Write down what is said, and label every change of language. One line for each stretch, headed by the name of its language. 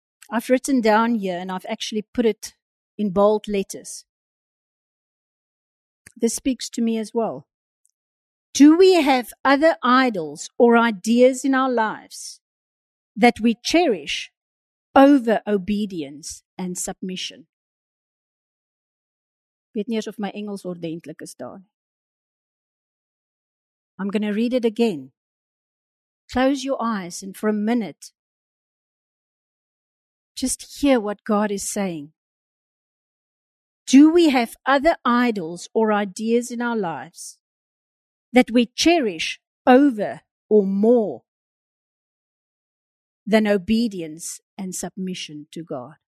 English: I've written down here, and I've actually put it in bold letters. This speaks to me as well. Do we have other idols or ideas in our lives that we cherish over obedience and submission?
Afrikaans: Weet nie eens of my Engels ordentlik is daar.
English: I'm going to read it again. Close your eyes and for a minute, just hear what God is saying. Do we have other idols or ideas in our lives that we cherish over or more than obedience and submission to God?